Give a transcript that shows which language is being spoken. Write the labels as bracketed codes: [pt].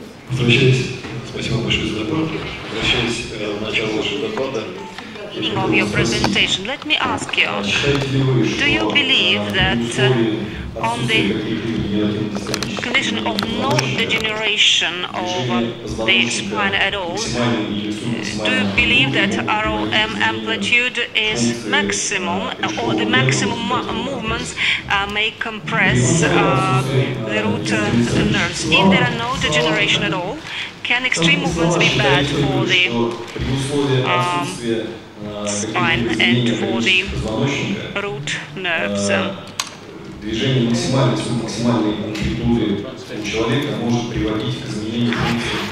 [ru] Возвращаясь, спасибо большое за доклад. Возвращаясь к началу вашего доклада. [en] Of your presentation, let me ask you, do you believe that on the condition of no degeneration of the spine at all, do you believe that ROM amplitude is maximum, or the maximum movements may compress the root nerves? If there are no degeneration at all, can extreme movements be bad for the spine and for the root nerves? [ru] Движение максимальной амплитуды у человека может приводить к изменению функции.